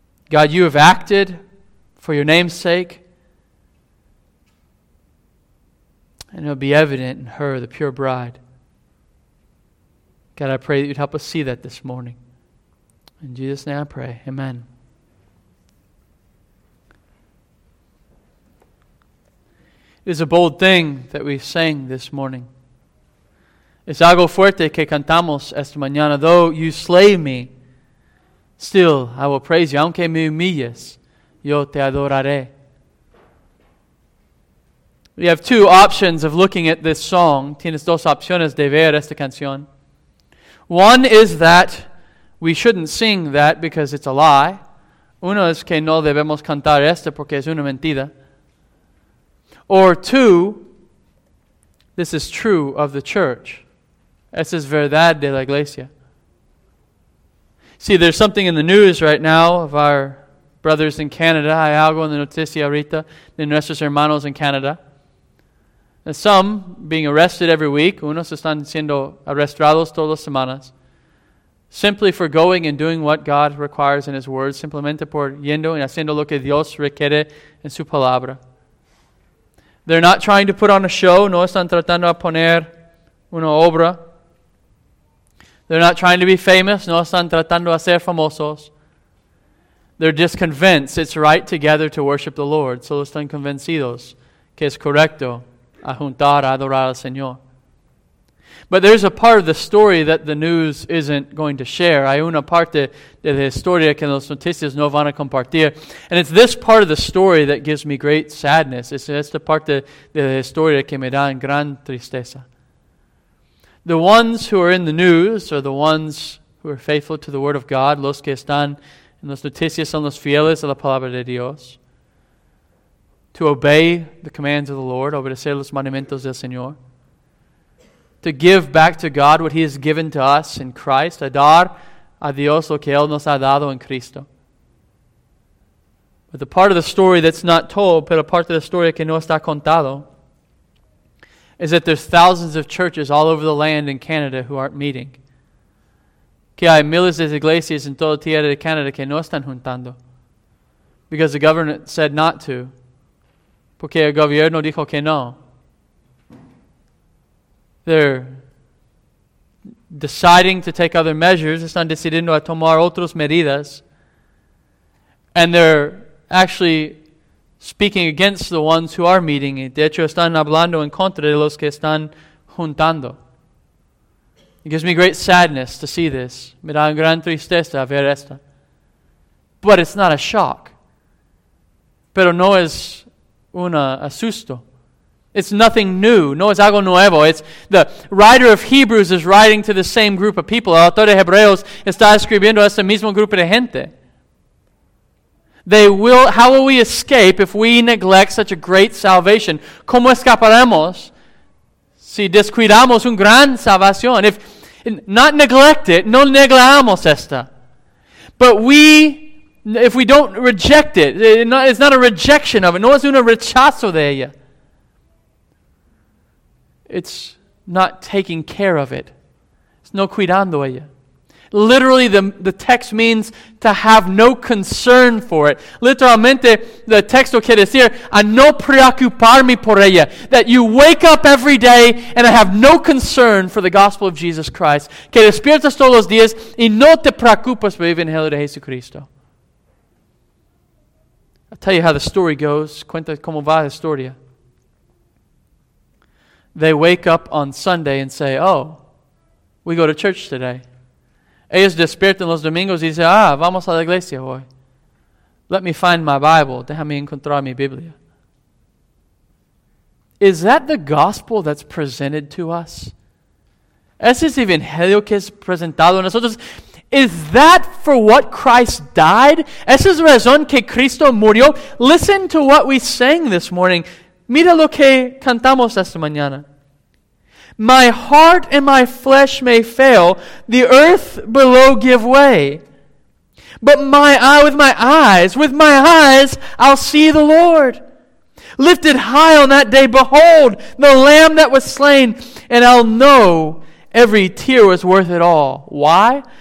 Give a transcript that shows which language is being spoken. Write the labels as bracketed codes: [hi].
[en] God, you have acted for your name's sake, and it will be evident in her, the pure bride. God, I pray that you'd help us see that this morning. In Jesus' name I pray, amen. It is a bold thing that we sang this morning. [es] Es algo fuerte que cantamos esta mañana. [en] Though you slay me, still I will praise you. [es] Aunque me humilles, yo te adoraré. [en] We have two options of looking at this song. [es] Tienes dos opciones de ver esta canción. [en] One is that we shouldn't sing that because it's a lie. [es] Uno es que no debemos cantar esta porque es una mentira. [en] Or two, this is true of the church. [es] Esa es verdad de la iglesia. [en] See, there's something in the news right now of our brothers in Canada. [es] Hay algo en la noticia ahorita de nuestros hermanos en Canadá. [en] Some being arrested every week. [es] Unos están siendo arrestados todas las semanas. [en] Simply for going and doing what God requires in His Word. [es] Simplemente por yendo y haciendo lo que Dios requiere en su palabra. [en] They're not trying to put on a show. [es] No están tratando de poner una obra. [en] They're not trying to be famous. [es] No están tratando de ser famosos. [en] They're just convinced it's right together to worship the Lord. [es] Solo están convencidos que es correcto a juntar, a adorar al Señor. [en] But there's a part of the story that the news isn't going to share. [es] Hay una parte de la historia que las noticias no van a compartir. [en] And it's this part of the story that gives me great sadness. [es] Es esta parte de la historia que me da en gran tristeza. [en] The ones who are in the news are the ones who are faithful to the Word of God. [es] Los que están en las noticias son los fieles a la Palabra de Dios. [en] To obey the commands of the Lord, [es] obedecer los mandamientos del Señor. [en] To give back to God what He has given to us in Christ. [es] A dar a Dios lo que Él nos ha dado en Cristo. [en] But the part of the story that's not told, [es] pero parte de la historia que no está contado, [en] is that there's thousands of churches all over the land in Canada who aren't meeting. [es] Que hay miles de iglesias en toda tierra de Canadá que no están juntando. [en] Because the government said not to. [es] Porque el gobierno dijo que no. [en] They're deciding to take other measures. [es] Están decidiendo a tomar otras medidas. [en] And they're actually speaking against the ones who are meeting. [es] De hecho, están hablando en contra de los que están juntando. [en] It gives me great sadness to see this. [es] Me da gran tristeza ver esto. [en] But it's not a shock. [es] Pero no es un asusto. [en] It's nothing new. [es] No es algo nuevo. [en] It's the writer of Hebrews is writing to the same group of people. [es] El autor de Hebreos está escribiendo a ese mismo grupo de gente. [en] How will we escape if we neglect such a great salvation? [es] ¿Cómo escaparemos si descuidamos una gran salvación? [en] If not neglect it, [es] no negamos esta. [en] But if we don't reject it, it's not a rejection of it, [es] no es un rechazo de ella. [en] It's not taking care of it. It's [es] no cuidando ella. [en] Literally, the text means to have no concern for it. [es] Literalmente, the texto quiere decir, a no preocuparme por ella. [en] That you wake up every day and I have no concern for the gospel of Jesus Christ. [es] Que despiertas todos los días y no te preocupas por el evangelio de Jesucristo. [en] I'll tell you how the story goes. [es] Cuenta cómo va la historia. [en] They wake up on Sunday and say, oh, we go to church today. [es] Ellos despiertan los domingos y dicen, ah, vamos a la iglesia hoy. [en] Let me find my Bible. [es] Déjame encontrar mi Biblia. [en] Is that the gospel that's presented to us? [es] ¿Ese es el evangelio que es presentado a nosotros? [en] Is that for what Christ died? [es] ¿Esa es la razón que Cristo murió? [en] Listen to what we sang this morning. [es] Mira lo que cantamos esta mañana. [en] My heart and my flesh may fail, the earth below give way. But with my eyes, I'll see the Lord. Lifted high on that day, behold, the Lamb that was slain, and I'll know every tear was worth it all. Why?